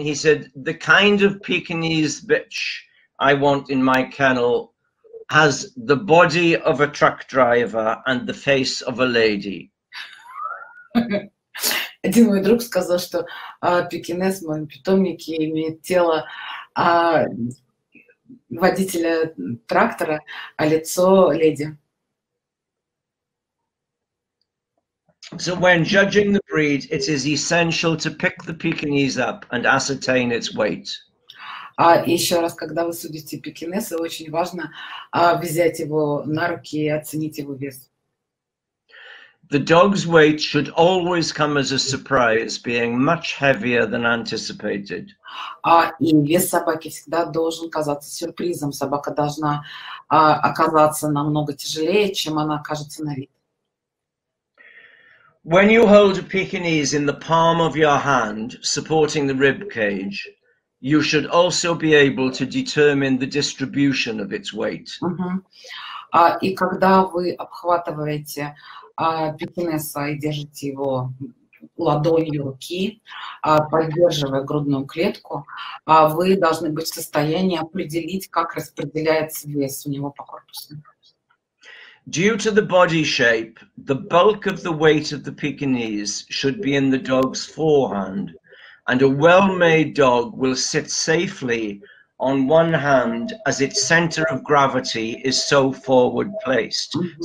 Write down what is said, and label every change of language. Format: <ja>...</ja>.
<en>He said, the kind of Pekinese bitch I want in my kennel has the body of a truck driver and the face of a lady.</en> <ru>Один мой друг сказал, что Пекинес в моем питомнике имеет тело водителя трактора, а лицо леди.</ru> <en>So when judging the breed, it is essential to pick the Pekinese up and ascertain its weight.</en> <ru>Еще раз, когда вы судите пекинеса, очень важно взять его на руки и оценить его вес.</ru> <en>The dog's weight should always come as a surprise, being much heavier than anticipated.</en> <ru>И вес собаки всегда должен казаться сюрпризом. Собака должна оказаться намного тяжелее, чем она кажется на вид.</ru> <en>When you hold a Pekinese in the palm of your hand, supporting the rib cage, you should also be able to determine the distribution of its weight.</en> <ru>И когда вы обхватываете пекинеса и держите его ладонью руки, поддерживая грудную клетку, вы должны быть в состоянии определить, как распределяется вес у него по корпусу.</ru> <en>Due to the body shape, the bulk of the weight of the Pekinese should be in the dog's forehand, and a well-made dog will sit safely on one hand as its center of gravity is so forward placed. Mm-hmm.</en>